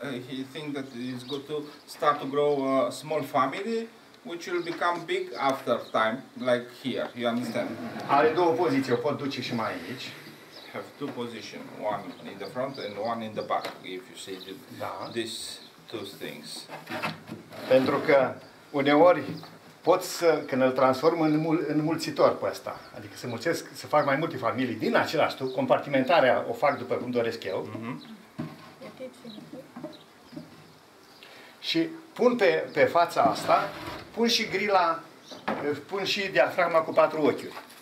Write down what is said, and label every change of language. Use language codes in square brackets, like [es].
[en] He think that it's good to start to grow a small family which will become big after time like here. You understand? [ro] Are două poziții, o pot duce și mai aici. [en] Have two position, one in the front and one in the back if you see the, [ro] da. [en] These two things. [ro] Pentru că uneori pot să, când îl transform în, în mulțitor pe ăsta, adică să mulțesc, să fac mai multe familii din același tu, compartimentarea o fac după cum doresc eu. Mm-hmm. Și pun pe, pe fața asta, pun și grila, pun și diafragma cu patru ochiuri.